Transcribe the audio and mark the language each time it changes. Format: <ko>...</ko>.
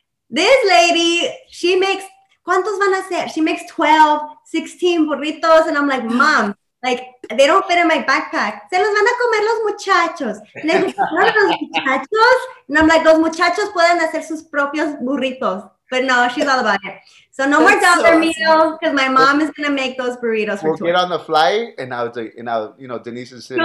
<en>This lady, she makes,</en> <es>¿cuántos van a ser?</es> <en>She makes 12, 16 burritos. And I'm like, Mom, like, they don't fit in my backpack.</en> <es>Se los van a comer los muchachos. Los muchachos.</es> <en>And I'm like,</en> <es>los muchachos pueden hacer sus propios burritos.</es> <en>But no, she's all about it. So no more dollar meal, because my mom is going to make those burritos. We'll get on the flight, and I'll, you know, Denise is sitting.</en>